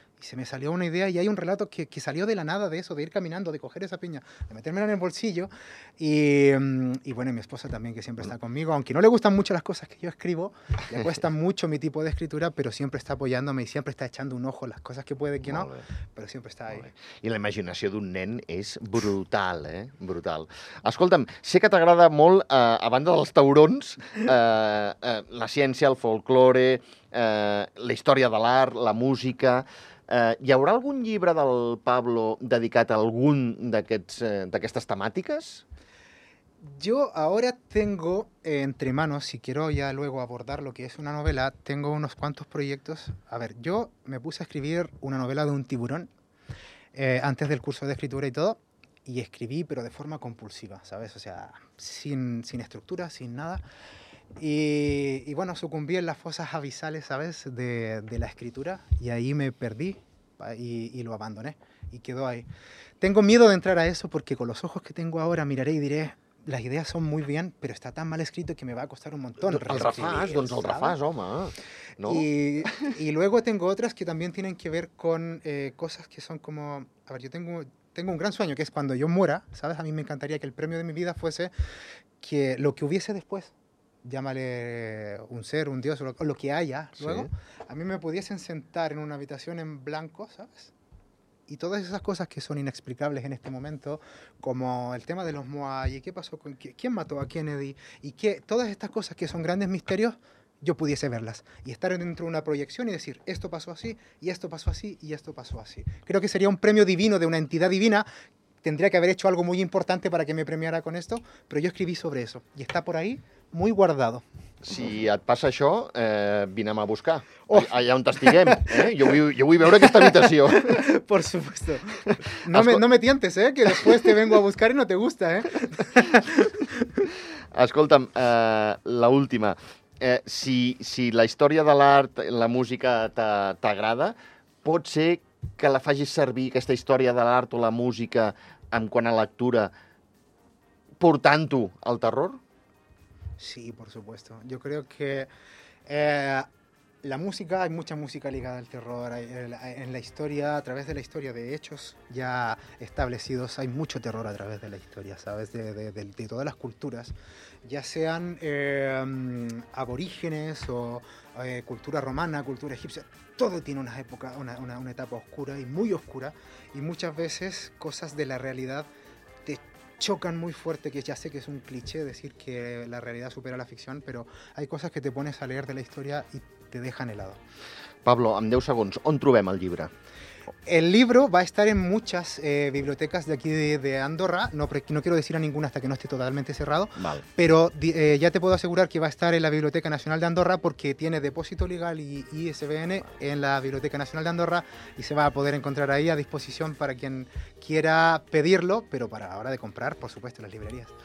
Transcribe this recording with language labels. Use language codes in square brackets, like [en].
[es] y se me salió una idea, y hay un relato que salió de la nada de eso, de ir caminando, de coger esa piña, de metérmela en el bolsillo, y bueno, y mi esposa también, que siempre está conmigo, aunque no le gustan mucho las cosas que yo escribo, le cuesta mucho mi tipo de escritura, pero siempre está apoyándome y siempre está echando un ojo las cosas que puede que no, pero siempre está ahí. [ca] I la imaginació d'un nen és brutal, eh? Brutal. Escolta'm, sé que t'agrada molt, a banda dels taurons, la ciència, el folklore, la història de l'art, la música... hi haurà algun llibre del Pablo dedicat a algun d'aquestes temàtiques? [es] Yo ahora tengo entre manos, si quiero ya luego abordar lo que es una novela, tengo unos cuantos proyectos. A ver, yo me puse a escribir una novela de un tiburón antes del curso de escritura y todo, y escribí, pero de forma compulsiva, ¿sabes? O sea, sin estructura, sin nada. Y bueno, sucumbí en las fosas abisales, ¿sabes?, de la escritura, y ahí me perdí y lo abandoné, y quedó ahí. Tengo miedo de entrar a eso porque con los ojos que tengo ahora miraré y diré... [ca] Les idees són molt bé, però està tan mal escrit que [es] me va a costar un montón. [ca] El refàs, doncs el refàs, home. No? [es] Y luego tengo otras que también tienen que ver con cosas que son como... A ver, yo tengo un gran sueño, que es cuando yo muera, ¿sabes? A mí me encantaría que el premio de mi vida fuese que lo que hubiese después, llámale un ser, un dios, o lo que haya luego, sí. A mí me pudiesen sentar en una habitación en blanco, ¿sabes? Y todas esas cosas que son inexplicables en este momento, como el tema de los Moai, ¿qué pasó con quién mató a Kennedy? Y que todas estas cosas que son grandes misterios, yo pudiese verlas y estar dentro de una proyección y decir, esto pasó así, y esto pasó así, y esto pasó así. Creo que sería un premio divino de una entidad divina. Tendría que haber hecho algo muy importante para que me premiara con esto, pero yo escribí sobre eso y está por ahí, muy guardado. [ca] Si et passa això, vine'm a buscar, allà on t'estiguem. Jo vull veure aquesta habitació. [es] Por supuesto. No me tientes, que después te vengo a buscar y no te gusta. [ca] Escolta'm, l'última. Si la història de l'art, la música t'agrada, pot ser que la facis servir, aquesta història de l'art o la música, en quant a lectura, portant-ho al terror? [es] Sí, por supuesto. Yo creo que la música, hay mucha música ligada al terror. En la historia, a través de la historia de hechos ya establecidos, hay mucho terror a través de la historia, ¿sabes? De todas las culturas, ya sean aborígenes o cultura romana, cultura egipcia, todo tiene una época, una etapa oscura y muy oscura, y muchas veces cosas de la realidad chocan muy fuerte, que ya sé que es un cliché decir que la realidad supera la ficción, pero hay cosas que te pones a leer de la historia y te dejan helado. [ca] Pablo, en 10 segons, on trobem el llibre? [es] El libro va a estar en muchas bibliotecas de aquí de Andorra, no quiero decir a ninguna hasta que no esté totalmente cerrado, vale. Pero ya te puedo asegurar que va a estar en la Biblioteca Nacional de Andorra porque tiene depósito legal y ISBN en la Biblioteca Nacional de Andorra y se va a poder encontrar ahí a disposición para quien quiera pedirlo, pero para la hora de comprar, por supuesto, las librerías.